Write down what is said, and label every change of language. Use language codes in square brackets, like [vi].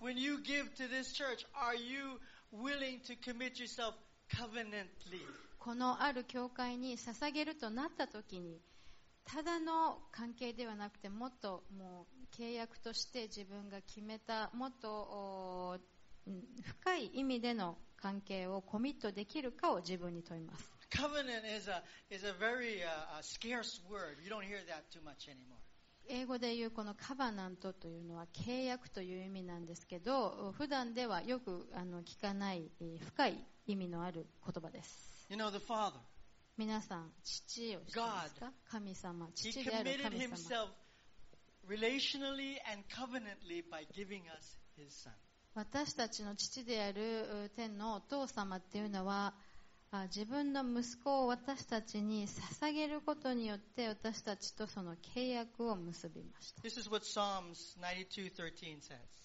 [en] When you give to this church, are you willing to commit yourself covenantly? [ja] このある教会に捧げるとなった時にただの関係ではなくてもっともう契約として自分が決めたもっと深い意味での関係をコミットできるかを自分に問います。 [en] Covenant is a very scarce word. You don't hear that too much anymore. [ja] 英語で言うこのカバナントというのは契約という意味なんですけど、普段ではよく聞かない深い意味のある言葉です。 [en] You know the Father. [ja] 皆さん、父を知っていますか？ God. 神様、父である神様。 [en] He committed himself relationally and covenantly by giving us his son. [ja] 私たちの父である天のお父様っていうのは自分の息子を私たちに捧げることによって私たちとその契約を結びました。 [en] This is what Psalms 92:13 says.